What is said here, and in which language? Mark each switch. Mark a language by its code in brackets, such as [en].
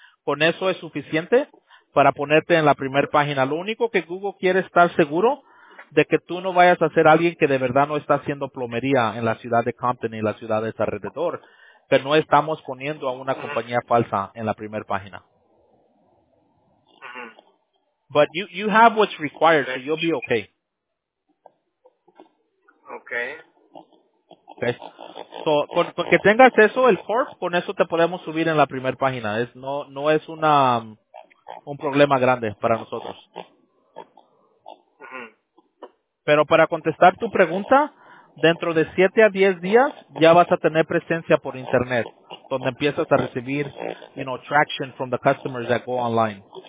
[es] Con eso es suficiente para ponerte en la primer página. Lo único que Google quiere es estar seguro de que tú no vayas a ser alguien que de verdad no está haciendo plomería en la ciudad de Compton y las ciudades alrededor. Pero no estamos poniendo a una compañía falsa en la primera página. Mm-hmm. [en] But you have what's required, okay. So you'll be okay. Okay. Okay. [es] So, con que tengas eso, el corp, con eso te podemos subir en la primera página. Es no es una un problema grande para nosotros. Mm-hmm. Pero para contestar tu pregunta, dentro de 7 a 10 días ya vas a tener presencia por internet, donde empiezas a recibir, [en] you know, traction from the customers that go online.